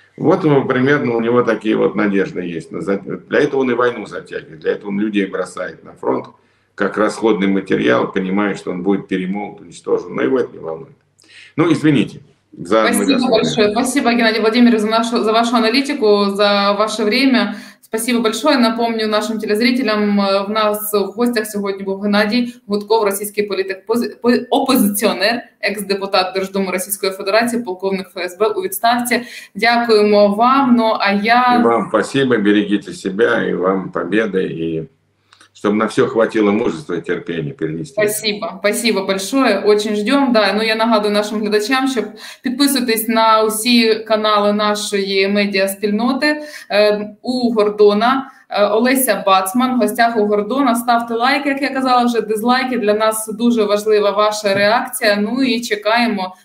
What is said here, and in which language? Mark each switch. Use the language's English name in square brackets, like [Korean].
[Russian] Вот примерно у него такие вот надежды есть. Для этого он и войну затягивает, для этого он людей бросает на фронт, как расходный материал, понимая, что он будет перемолот, уничтожен. Но его это не волнует. Ну, извините. Спасибо большое. Спасибо, Геннадий Владимирович, за вашу аналитику, за ваше время. Спасибо большое. Напомню нашим телезрителям, [Ukrainian] в нас в гостях сьогодні був Геннадій Гудков, російський політик, опозиціонер, екс-депутат Держдуми Російської Федерації, полковник ФСБ у відставці. Дякуємо вам. Ну, а я... [Russian] І вам спасибо, берегите себе, і вам победы, [Ukrainian] і щоб на все [Russian] хватило мужества і терпіння перенести. Спасибо, спасибо большое, очень ждем. Да. [Ukrainian] Ну, я нагадую нашим глядачам, щоб підписуйтесь на усі канали нашої медіаспільноти у Гордона. Олеся Бацман, в гостях у Гордона. Ставте лайки, як я казала вже, дизлайки. Для нас дуже важлива ваша реакція. Ну і чекаємо.